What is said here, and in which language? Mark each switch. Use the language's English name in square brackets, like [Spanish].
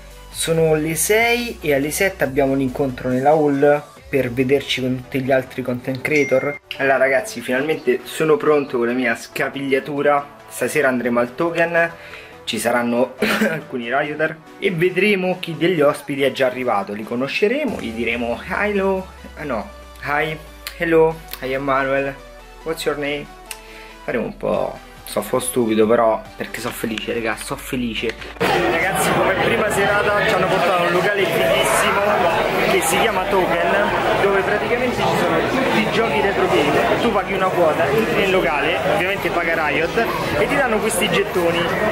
[Italian] Sono le 6 e alle 7 abbiamo un incontro nella hall per vederci con tutti gli altri content creator. Allora ragazzi, finalmente sono pronto con la mia scapigliatura. Stasera andremo al token, ci saranno alcuni rioter e vedremo chi degli ospiti è già arrivato. Li conosceremo, gli diremo hello. [English] Ah no, hi, hello, I am Manuel, what's your name? [Italian] Faremo un po', so fo' stupido, però perché sono felice, raga, so felice. Ragazzi, come prima serata ci hanno portato a un locale fighissimo che si chiama Token, dove praticamente ci sono tutti i giochi retro game. Tu paghi una quota, entri nel locale, ovviamente paga Riot, e ti danno questi gettoni.